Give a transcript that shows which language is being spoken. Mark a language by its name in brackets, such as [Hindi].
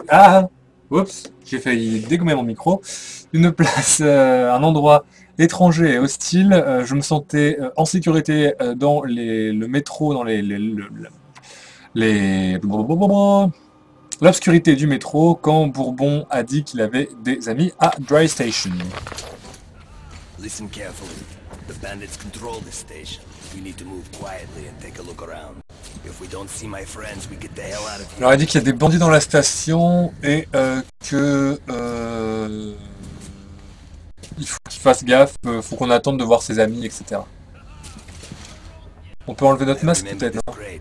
[French] Ah ! Oups ! J'ai failli dégommer mon micro. Une place, un endroit étranger et hostile. Je me sentais en sécurité dans le métro, dans l'obscurité du métro quand Bourbon a dit qu'il avait des amis à Dry Station. [English] Listen carefully. The bandits control this station. We need to move quietly and take a look around. If we don't see my friends, we get the hell out of here. [French] Alors, il a dit qu'il y a des bandits dans la station et il faut qu'il fasse gaffe, faut qu'on attende de voir ses amis, etc. On peut enlever notre masque peut-être, non?